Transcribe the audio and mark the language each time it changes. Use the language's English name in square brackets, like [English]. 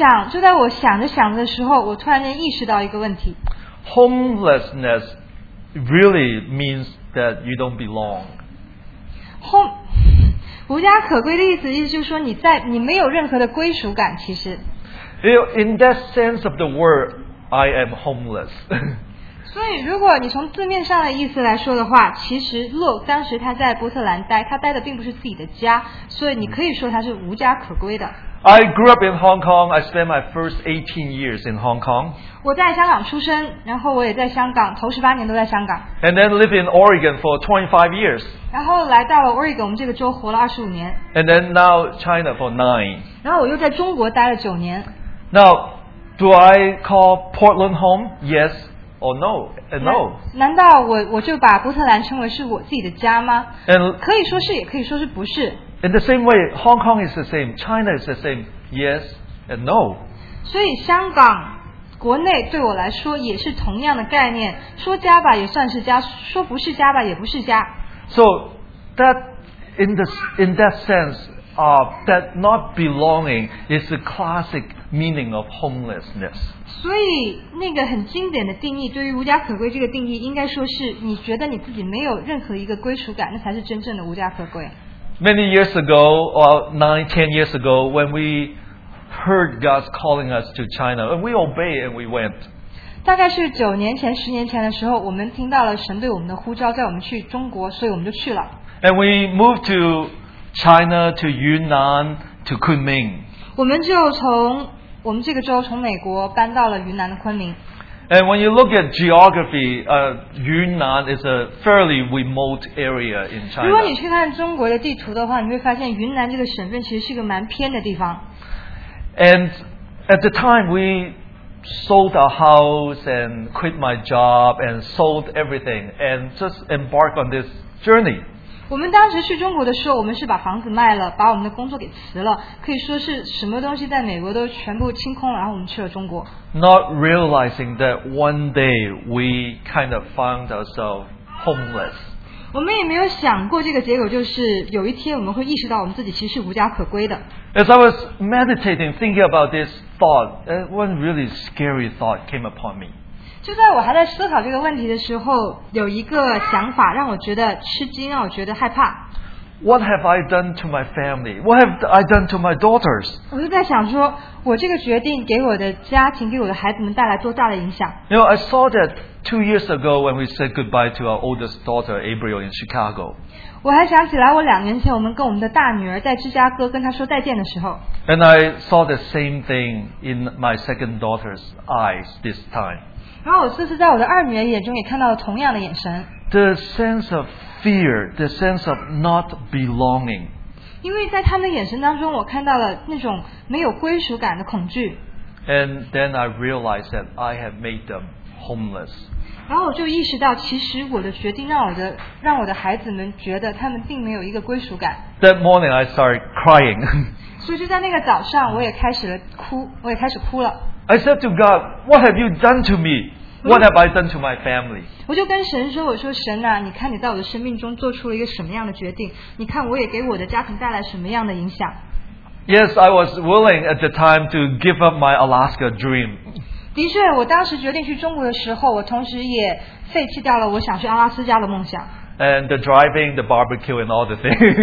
[Chinese] 就在我想着想着的时候，我突然间意识到一个问题。 [English] Homelessness really means that you don't belong. [Chinese] Home, 无家可归的意思就是说你没有任何的归属感。其实 [English] ，in that sense of the word, I am homeless. [Chinese] 所以，如果你从字面上的意思来说的话，其实 Look 当时他在波特兰待，他待的并不是自己的家，所以你可以说他是无家可归的。 [English] I grew up in Hong Kong. I spent my first 18 years in Hong Kong. [Chinese] 我在香港出生，然后我也在香港，头十八年都在香港。 [English] And then lived in Oregon for 25 years. [Chinese] 然后来到了 Oregon， 我们这个州活了25年。 [English] And then now China for 9. [Chinese] 然后我又在中国待了9年。 [English] Now, do I call Portland home? Yes or no? And no. [Chinese] 难道我就把波特兰称为是我自己的家吗？ [English] And [Chinese] 可以说是，也可以说是不是。 In the same way, Hong Kong is the same. China is the same. Yes and no. 所以香港国内对我来说也是同样的概念。说家吧也算是家，说不是家吧也不是家。 [English] So that in that sense, that not belonging is the classic meaning of homelessness. [Chinese] 所以那个很经典的定义，对于无家可归这个定义，应该说是你觉得你自己没有任何一个归属感，那才是真正的无家可归。 [English] Many years ago, or 9-10 years ago, when we heard God's calling us to China, and we obeyed and we went. [Chinese] 大概是九年前、十年前的时候，我们听到了神对我们的呼召，叫我们去中国，所以我们就去了。 [English] And we moved to China, to Yunnan, to Kunming. [Chinese] 我们就从我们这个州，从美国搬到了云南的昆明。 [English] And when you look at geography, Yunnan is a fairly remote area in China. [Chinese] 如果你去看中国的地图的话，你会发现云南这个省份其实是一个蛮偏的地方。 [English] And at the time, we sold our house and quit my job and sold everything and just embarked on this journey. [Chinese] 我们当时去中国的时候，我们是把房子卖了，把我们的工作给辞了，可以说是什么东西在美国都全部清空了，然后我们去了中国。 [English] Not realizing that one day we kind of found ourselves homeless. [Chinese] 我们也没有想过这个结果，就是有一天我们会意识到我们自己其实是无家可归的。 [English] As I was meditating, thinking about this thought, one really scary thought came upon me. [Chinese] 就在我还在思考这个问题的时候，有一个想法让我觉得吃惊，让我觉得害怕。 [English] What have I done to my family? What have I done to my daughters? [Chinese] 我就在想说，我这个决定给我的家庭，给我的孩子们带来多大的影响。 [English] You know, I saw that 2 years ago when we said goodbye to our oldest daughter, Abriel, in Chicago. [Chinese] 我还想起来我两年前我们跟我们的大女儿在芝加哥跟她说再见的时候。 [English] And I saw the same thing in my second daughter's eyes this time. [Chinese] 然后我这次在我的二女儿眼中也看到了同样的眼神。 [English] The sense of fear, the sense of not belonging. [Chinese] 因为在他们的眼神当中，我看到了那种没有归属感的恐惧。 [English] And then I realized that I have made them homeless. [Chinese] 然后我就意识到, 其实我的决定让我的, 让我的孩子们觉得他们并没有一个归属感。 [English] That morning I started crying. [Chinese] 所以就在那个早上, 我也开始了哭, 我也开始哭了。 [English] I said to God, what have you done to me? What have I done to my family? [Chinese] 我就跟神说, 我说, 神啊, 你看你在我的生命中做出了一个什么样的决定, 你看我也给我的家庭带来什么样的影响。 [English] Yes, I was willing at the time to give up my Alaska dream. [Chinese] 的确, 我当时决定去中国的时候, 我同时也废弃掉了我想去阿拉斯加的梦想。 [English] And the driving, the barbecue, and all the things.